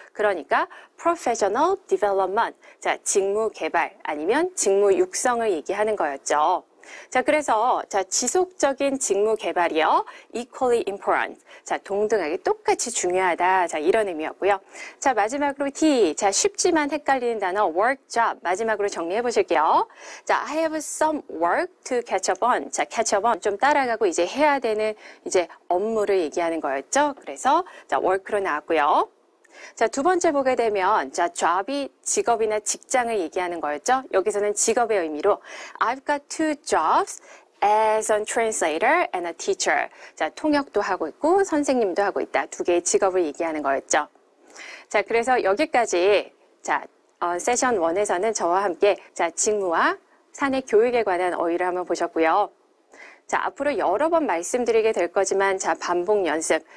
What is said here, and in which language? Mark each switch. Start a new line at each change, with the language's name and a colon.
Korean: 그러니까
English: professional development,
Korean: 자, 직무 개발 아니면 직무 육성을 얘기하는 거였죠. 자, 그래서, 자, 지속적인 직무 개발이요.
English: equally important.
Korean: 자, 동등하게 똑같이 중요하다. 자, 이런 의미였고요. 자, 마지막으로 D. 자, 쉽지만 헷갈리는 단어 work job. 마지막으로 정리해 보실게요.
English: 자, I have some work to catch up on. 자, catch up on.
Korean: 좀 따라가고 이제 해야 되는 이제 업무를 얘기하는 거였죠. 그래서, 자, work로 나왔고요. 자, 두 번째 보게 되면, 자, job이 직업이나 직장을 얘기하는 거였죠? 여기서는 직업의 의미로,
English: I've got two jobs as a translator and a teacher.
Korean: 자, 통역도 하고 있고, 선생님도 하고 있다. 두 개의 직업을 얘기하는 거였죠. 자, 그래서 여기까지, 자, 세션 1에서는 저와 함께, 자, 직무와 사내 교육에 관한 어휘를 한번 보셨고요. 자, 앞으로 여러 번 말씀드리게 될 거지만, 자, 반복 연습.